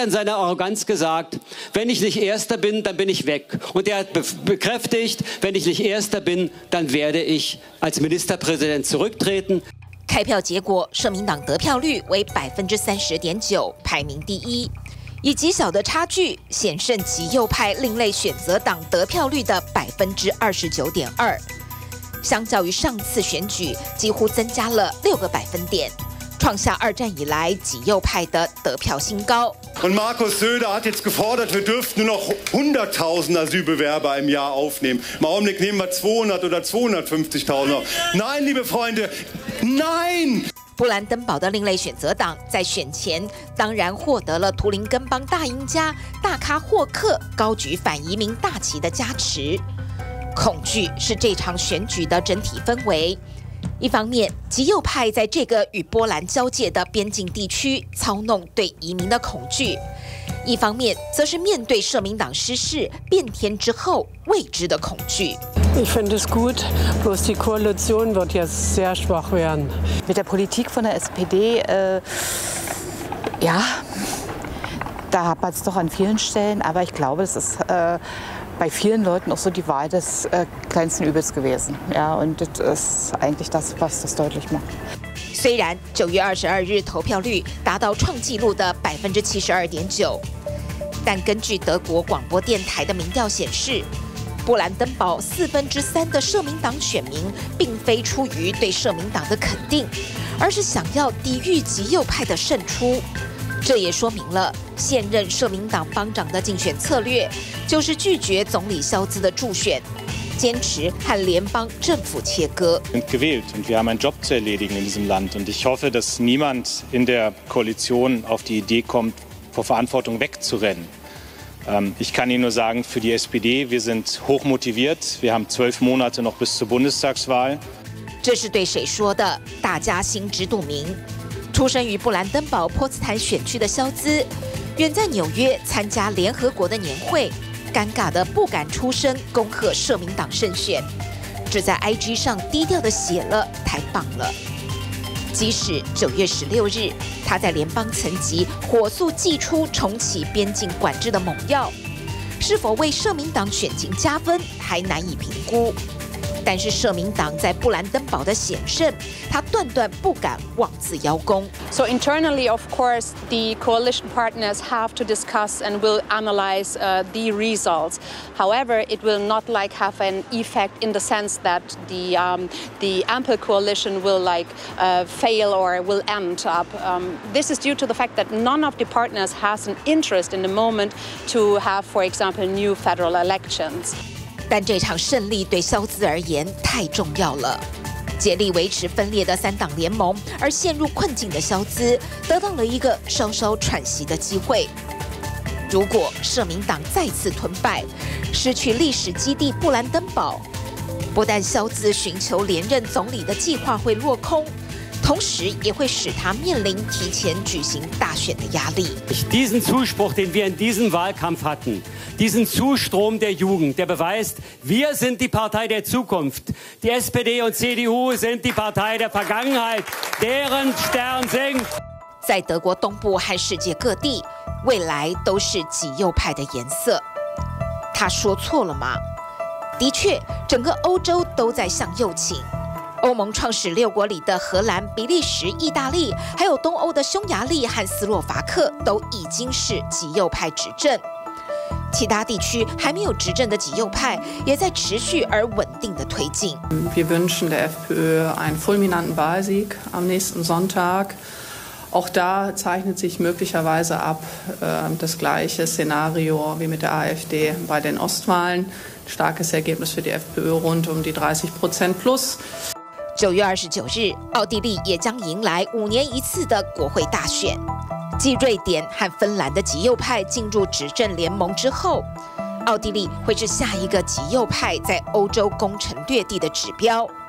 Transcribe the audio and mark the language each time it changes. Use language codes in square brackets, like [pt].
[de] Er hat ja in seiner Arroganz gesagt, wenn ich nicht Erster bin, dann bin ich weg. Und er hat bekräftigt, wenn ich nicht Erster bin, dann werde ich als Ministerpräsident zurücktreten. [zh] 开票结果，社民党得票率为30.9%，排名第一。以极小的差距险胜极右派另类选择党得票率的29.2%，相较于上次选举，几乎增加了6个百分点，创下二战以来极右派的得票新高。 [de] Und Markus Söder hat jetzt gefordert, wir dürften nur noch 100.000 Asylbewerber im Jahr aufnehmen. Im Augenblick nehmen wir 200 oder 250.000. Nein, liebe Freunde, nein! [zh] 布兰登堡的另类选择党在选前当然获得了图林根邦大赢家大咖霍克高举反移民大旗的加持。恐惧是这场选举的整体氛围。一方面，极右派在这个与波兰交界的边境地区操弄对移民的恐惧；一方面，则是面对社民党失势变天之后未知的恐惧。 [de] Ich finde es gut, bloß die Koalition wird jetzt sehr schwach werden. Mit der Politik von der SPD, ja, da hapert es doch an vielen Stellen. Aber ich glaube, es ist bei vielen Leuten auch so die Wahl des kleinsten Übels gewesen. Ja, und das ist eigentlich das, was das deutlich macht. [zh] 虽然9月22日投票率达到创纪录的72.9%，但根据德国广播电台的民调显示，布兰登堡3/4的社民党选民并非出于对社民党的肯定，而是想要抵御极右派的胜出。这也说明了现任社民党邦长的竞选策略，就是拒绝总理肖兹的助选，坚持和联邦政府切割。 [de] Wir sind gewählt und wir haben einen Job zu erledigen in diesem Land. Und ich hoffe, dass niemand in der Koalition auf die Idee kommt, vor Verantwortung wegzurennen. Ich kann Ihnen nur sagen, für die SPD, wir sind hochmotiviert. Wir haben 12 Monate noch bis zur Bundestagswahl. [zh] 这是对谁说的？大家心知肚明。出生于布兰登堡波茨坦选区的肖兹，远在纽约参加联合国的年会，尴尬的不敢出声恭贺社民党胜选，只在 IG 上低调的写了太棒了。即使9月16日，他在联邦层级火速祭出重启边境管制的猛药，是否为社民党选情加分还难以评估。但是社民党在布兰登堡的险胜，他断断不敢妄自邀功。 [en] So internally, of course, the coalition partners have to discuss and will analyze the results. However, it will not like have an effect in the sense that the ample coalition will like fail or will end up. This is due to the fact that none of the partners has an interest in the moment to have, for example, new federal elections. [zh] 但这场胜利对肖兹而言太重要了，竭力维持分裂的三党联盟而陷入困境的肖兹得到了一个稍稍喘息的机会。如果社民党再次吞败，失去历史基地布兰登堡，不但肖兹寻求连任总理的计划会落空，同时也会使他面临提前举行大选的压力。 [de] Diesen Zuspruch, den wir in diesem Wahlkampf hatten, diesen Zustrom der Jugend, der beweist, wir sind die Partei der Zukunft. Die SPD und CDU sind die Partei der Vergangenheit, deren Stern sinkt. [zh] 在德国东部和世界各地，未来都是极右派的颜色。他说错了吗？的确，整个欧洲都在向右倾。欧盟创始6国里的荷兰、比利时、意大利，还有东欧的匈牙利和斯洛伐克，都已经是极右派执政。其他地区还没有执政的极右派，也在持续而稳定的推进。 [de] Wir wünschen der FPÖ einen fulminanten Wahlsieg am nächsten Sonntag. Auch da zeichnet sich möglicherweise ab das gleiche Szenario wie mit der AfD bei den Ostwahlen. Starkes Ergebnis für die FPÖ rund die 30% plus. [zh] 9月29日，奥地利也将迎来5年一次的国会大选。继瑞典和芬兰的极右派进入执政联盟之后，奥地利会是下一个极右派在欧洲攻城略地的指标。